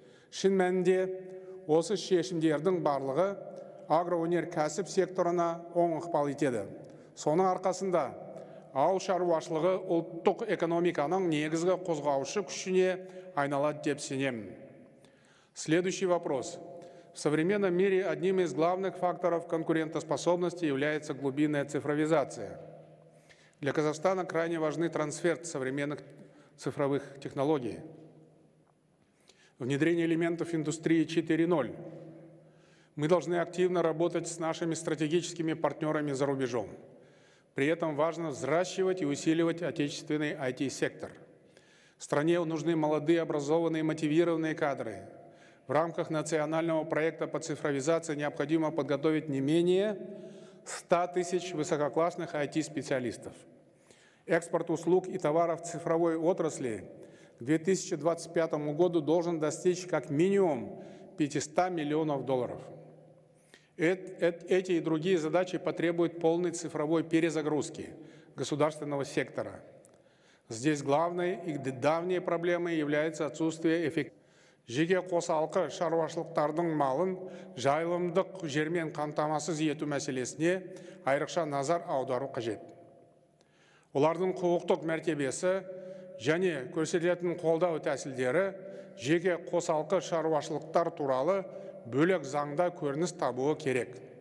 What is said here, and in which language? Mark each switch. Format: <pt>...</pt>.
<kk>Шын мәнінде осы шешімдердің барлығы агроөнеркәсіп секторына оң ықпал етеді. Соның арқасында ауыл шаруашылығы ұлттық экономиканың негізгі қозғаушы күшіне айналады деп сенемін.</kk> <ru>Следующий вопрос. В современном мире одним из главных факторов конкурентоспособности является глубинная цифровизация. Для Казахстана крайне важны трансфер современных цифровых технологий, внедрение элементов индустрии 4.0. Мы должны активно работать с нашими стратегическими партнерами за рубежом. При этом важно взращивать и усиливать отечественный IT-сектор. Стране нужны молодые, образованные, мотивированные кадры. В рамках национального проекта по цифровизации необходимо подготовить не менее 100 тысяч высококлассных IT-специалистов. Экспорт услуг и товаров цифровой отрасли к 2025 году должен достичь как минимум 500 миллионов долларов. Эти и другие задачи потребуют полной цифровой перезагрузки государственного сектора. Здесь главной и давней проблемой является отсутствие эффективности.</ru> <kk>Жеке қосалқы шаруашылықтардың малын жайылымдық жермен қамтамасыз ету мәселесіне айрықша назар аудару қажет. Олардың құқықтық мәртебесі және көрсетілетін қолдау тәсілдері жеке қосалқы шаруашылықтар туралы бөлек заңда көрініс табуы керек.</kk>